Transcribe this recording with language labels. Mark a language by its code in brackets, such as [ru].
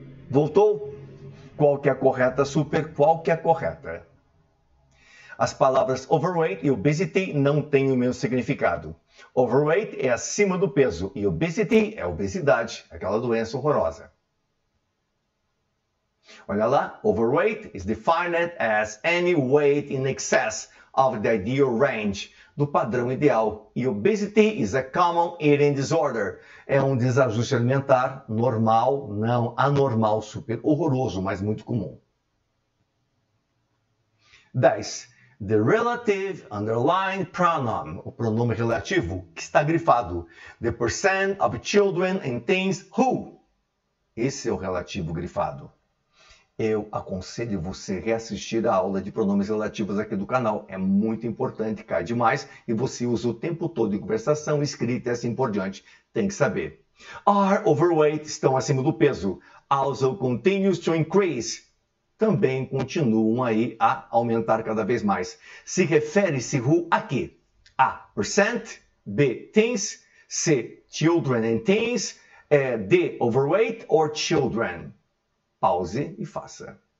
[pt] Voltou? Qual que é a correta, super? Qual que é a correta? As palavras overweight e obesity não têm o mesmo significado. Overweight é acima do peso e obesity é obesidade, aquela doença horrorosa. Olha lá, [en] overweight is defined as any weight in excess of the ideal range, [pt] do padrão ideal. E [en] obesity is a common eating disorder. [pt] É um desajuste alimentar normal, não anormal, super horroroso, mas muito comum. 10. [en] The relative underlying pronoun, [pt] o pronome relativo que está grifado. [en] The percent of children and teens who. [pt] Esse é o relativo grifado. Eu aconselho você reassistir a aula de pronomes relativos aqui do canal. É muito importante, cai demais, e você usa o tempo todo em conversação, escrita e assim por diante. Tem que saber. [en] Are overweight, [pt] estão acima do peso. [en] Also continues to increase. [pt] Também continuam aí a aumentar cada vez mais. Se refere esse who a quê? A. Percent. B. Teens. C. [en] Children and teens. D. Overweight or children. [pt] Pause e faça.